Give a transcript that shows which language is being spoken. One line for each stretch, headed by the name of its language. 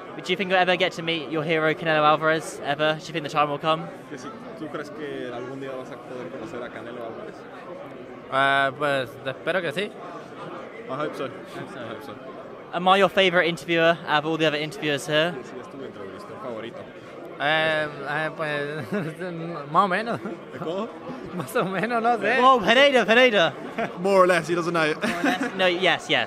English: Do you think you'll ever get to meet your hero Canelo Alvarez ever? Do you think the time will come?
Spanish: ¿Tú crees que algún día vas a poder conocer a Canelo Alvarez? Pues espero que sí.
English: I hope so. Am I your favorite interviewer out of all the other interviewers here?
Spanish: Sí, es tu entrevista favorito. Pues más o menos. ¿De cómo? Más o menos, no sé.
English: Oh, Pineda. More or less, he doesn't know. More or less. No, yes. Yeah.